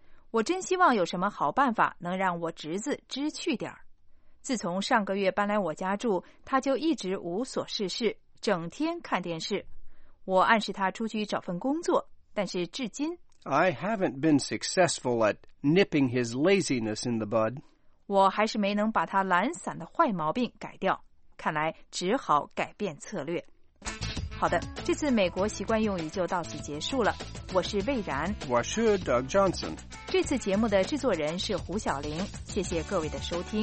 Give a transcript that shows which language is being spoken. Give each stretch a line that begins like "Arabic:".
Chinese: 我真希望有什么好办法能让我侄子知趣点儿。自从上个月搬来我家住，他就一直无所事事，整天看电视。我暗示他出去找份工作，但是至今
English: I haven't been successful at nipping his laziness in the bud.
Chinese: 我还是没能把他懒散的坏毛病改掉，看来只好改变策略。好的，这次美国习惯用语就到此结束了。我是魏然，我是 Doug Johnson。这次节目的制作人是胡晓玲，谢谢各位的收听。